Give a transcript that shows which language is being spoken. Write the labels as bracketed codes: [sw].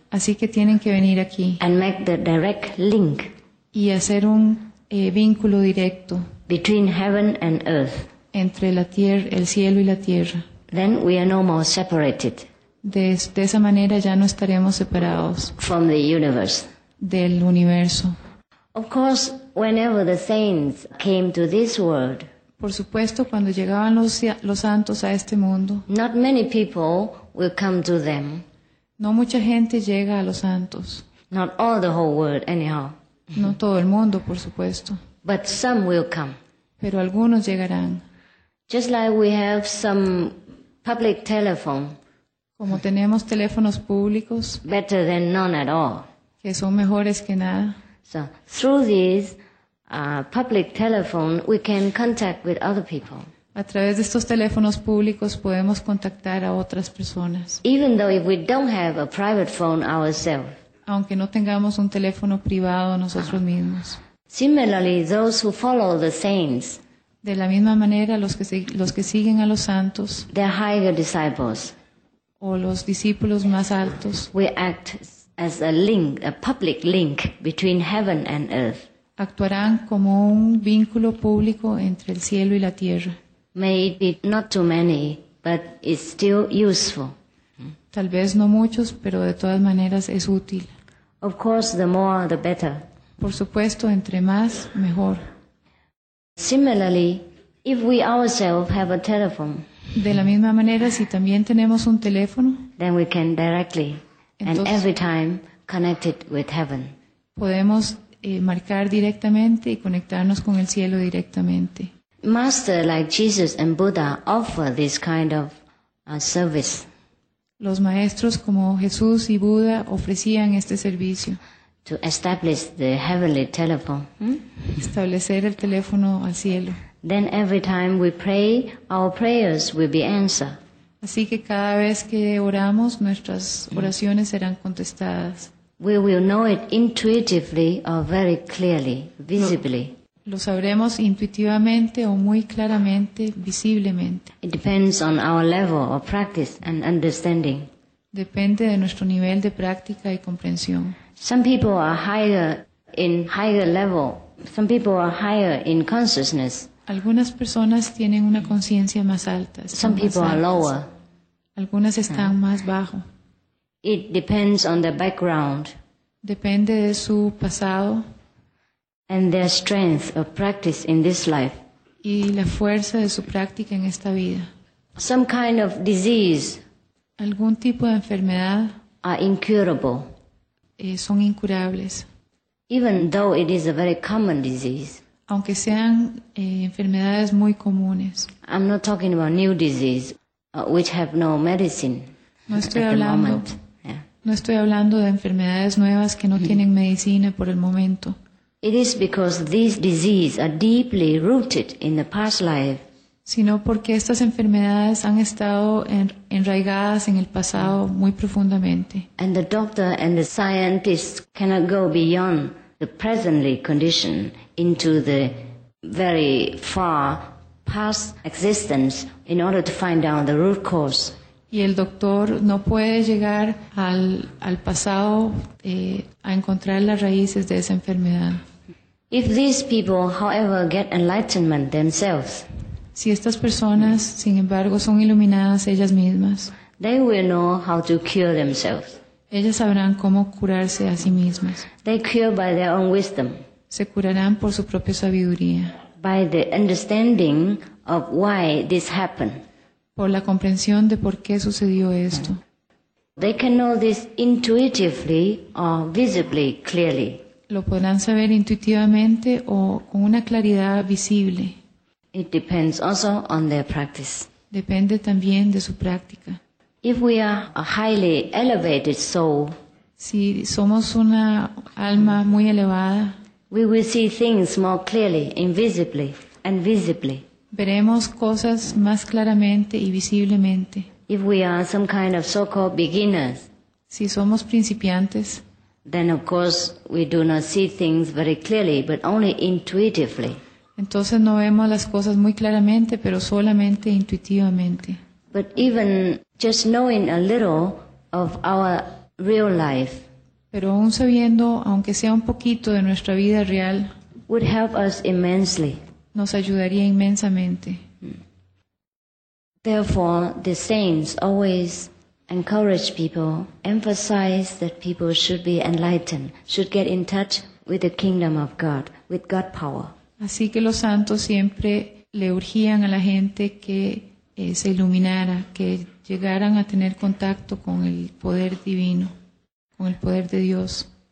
[es] Así que tienen que venir aquí. [en] And make the direct link. [es] Y hacer un vínculo directo. [en] Between heaven and earth. [es] Entre la tierra, el cielo y la tierra. [en] Then we are no more separated. [es] De esa manera ya no estaremos separados. [en] From the universe. [es] Del universo. [en] Of course, whenever the saints came to this world, [es] por supuesto, cuando llegaban los santos a este mundo, [en] not many people will come to them. [es] No mucha gente llega a los santos. [en] Not all the whole world, anyhow. [es] No todo el mundo, por supuesto. [en] But some will come. [es] Pero algunos llegarán. [en] Just like we have some public telephone. [es] Como tenemos teléfonos públicos. [en] Better than none at all. [es] Que son mejores que nada. [en] So through this public telephone, we can contact with other people. [es] A través de estos teléfonos públicos podemos contactar a otras personas. [en] Even though if we don't have a private phone ourselves. [es] Aunque no tengamos un teléfono privado nosotros mismos. [en] Similarly, those who follow the saints. [es] De la misma manera, los que siguen a los santos. [en] Their higher disciples. [es] O los discípulos más altos. [en] We act as a link, a public link between heaven and earth. [es] Actuarán como un vínculo público entre el cielo y la tierra. [en] May it be not too many, but it's still useful. [es] Tal vez no muchos, pero de todas maneras es útil. [en] Of course, the more the better. [es] Por supuesto, entre más, mejor. [en] Similarly, if we ourselves have a telephone. [es] De la misma manera, si también tenemos un teléfono, [en] then we can directly and every time connect it with heaven. [es] Podemos marcar directamente y conectarnos con el cielo directamente. [en] Master like Jesus and Buddha offer this kind of service. [es] Los maestros como Jesús y Buda ofrecían este servicio. [en] To establish the heavenly telephone. [es] Establecer el teléfono al cielo. [en] Then every time we pray, our prayers will be answered. [es] Así que cada vez que oramos, nuestras oraciones serán contestadas. [en] We will know it intuitively or very clearly, visibly. [es] Lo sabremos intuitivamente o muy claramente, visiblemente. [en] It depends on our level of practice and understanding. [es] Depende de nuestro nivel de práctica y comprensión. [en] Some people are higher level. Some people are higher in consciousness. [es] Algunas personas tienen una conciencia más alta. [en] Some people are lower. [es] Algunas están más bajo. [en] It depends on their background. [es] Depende de su pasado. [en] And their strength of practice in this life. [es] Y la fuerza de su práctica en esta vida. [en] Some kind of disease. [es] Algún tipo de enfermedad. [en] Are incurable. [es] Son incurables. [en] Even though it is a very common disease. [es] Aunque sean enfermedades muy comunes. [en] I'm not talking about new disease, which have no medicine. [es] No estoy hablando. No estoy hablando de enfermedades nuevas que no tienen medicina por el momento. [en] It is because these diseases are deeply rooted in the past life. [es] Sino porque estas enfermedades han estado enraigadas en el pasado muy profundamente. [en] And the doctor and the scientist cannot go beyond the presently condition into the very far past existence in order to find out the root cause. [es] Y el doctor no puede llegar al pasado a encontrar las raíces de esa enfermedad. [en] If these people, however, get enlightenment themselves, [es] si estas personas, sin embargo, son iluminadas ellas mismas, [en] they will know how to cure themselves. [es] Ellas sabrán cómo curarse a sí mismas. [en] They cure by their own wisdom. [es] Se curarán por su propia sabiduría. [en] By the understanding of why this happened. [es] Por la comprensión de por qué sucedió esto. [en] They can know this intuitively or visibly clearly. [es] Lo podrán saber intuitivamente o con una claridad visible. [en] It depends also on their practice. [es] Depende también de su práctica. [en] If we are a highly elevated soul, [es] si somos una alma muy elevada, [en] we will see things more clearly, invisibly and visibly. [es] Veremos cosas más claramente y visiblemente. [en] If we are some kind of so-called beginners, [es] si somos principiantes, [en] then of course we do not see things very clearly, but only intuitively. [es] Entonces no vemos las cosas muy claramente, pero solamente intuitivamente. [en] But even just knowing a little of our real life, [es] pero aún sabiendo, aunque sea un poquito de nuestra vida real, [en] would help us immensely. [es] Nos ayudaría inmensamente. [en] Therefore, the saints always encourage people, emphasize that people should be enlightened, should get in touch with the kingdom of God, with God power. [es] Así que los santos siempre le urgían a la gente que se iluminara, que llegaran a tener contacto con el poder divino, con el poder de Dios.